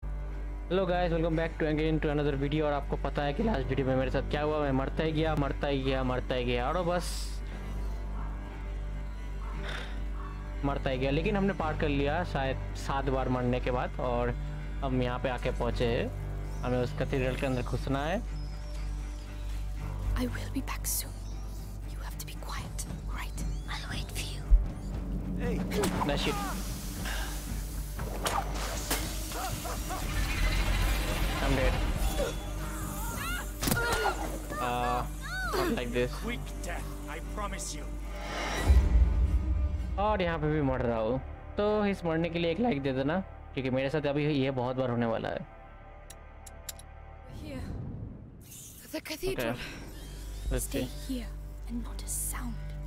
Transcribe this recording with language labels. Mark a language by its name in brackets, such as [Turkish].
[English] Hello guys, welcome back to again to another video. [Hindi] और आपको पता है कि लास्ट वीडियो में मेरे साथ क्या हुआ। मैं मरता ही गया। और बस मरता ही गया, लेकिन हमने पार कर लिया शायद 7 बार मरने के बाद। और हम यहाँ पे आके पहुँचे हैं, हमें उस कैथीड्रल के अंदर घुसना है। [English] I will be back soon. You have to be quiet, right? I'll wait for you. Hey. Shit. I'm dead. Not like this. Quick death, I promise you. [Hindi] और यहाँ पे भी मर रहा हूँ, तो इस मरने के लिए एक लाइक दे देना, क्योंकि मेरे साथ अभी ये बहुत बार होने वाला है। [English] Here. The cathedral. Let's stay here and not a sound.